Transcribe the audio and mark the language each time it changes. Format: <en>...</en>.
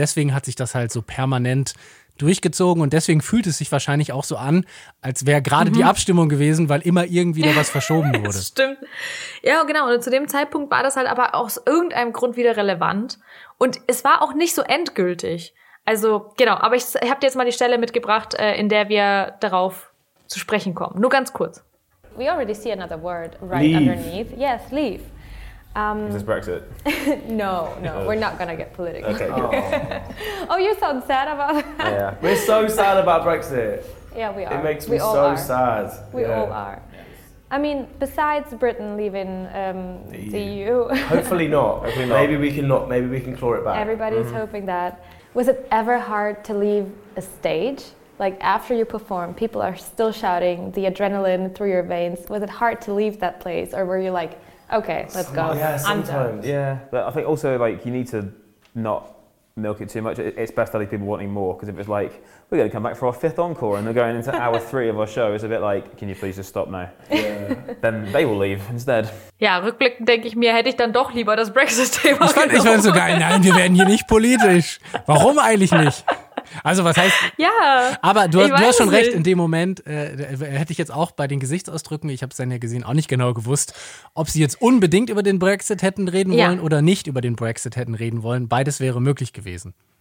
<de>Deswegen hat sich das halt so permanent durchgezogen und deswegen fühlt es sich wahrscheinlich auch so an, als wäre gerade die Abstimmung gewesen, weil immer irgendwie da was verschoben wurde. Das stimmt. Ja, genau. Und zu dem Zeitpunkt war das halt aber aus irgendeinem Grund wieder relevant. Und es war auch nicht so endgültig. Also, genau. Aber ich habe dir jetzt mal die Stelle mitgebracht, in der wir darauf zu sprechen kommen. Nur ganz kurz.</de> <en>We already see another word right leave. Underneath. Yes, leave. Is this Brexit? No, we're not gonna get political. Okay. Oh, you sound sad about that. Yeah, we're so sad about Brexit. Yeah, we are. It makes we me so are. Sad. We yeah. all are. Yes. I mean, besides Britain leaving the EU. Hopefully not. Maybe we can claw it back. Everybody's hoping that. Was it ever hard to leave a stage? Like, after you perform, people are still shouting the adrenaline through your veins. Was it hard to leave that place? Or were you like, okay, let's go. Yeah, sometimes. But I think also, like, you need to not milk it too much. It's best to leave people wanting more, because if it's like, we're going to come back for our fifth encore and they're going into hour three of our show, it's a bit like, can you please just stop now? Yeah. Then they will leave instead.</en> <de>Ja, rückblickend denke ich mir, hätte ich dann doch lieber das Brexit-Thema genommen. Ich fand sogar, nein, wir werden hier nicht politisch. Warum eigentlich nicht? Also was heißt, ja, aber du hast schon recht, in dem Moment hätte ich jetzt auch bei den Gesichtsausdrücken, ich habe es dann ja gesehen, auch nicht genau gewusst, ob sie jetzt unbedingt über den Brexit hätten reden wollen oder nicht über den Brexit hätten reden wollen, beides wäre möglich gewesen.</de>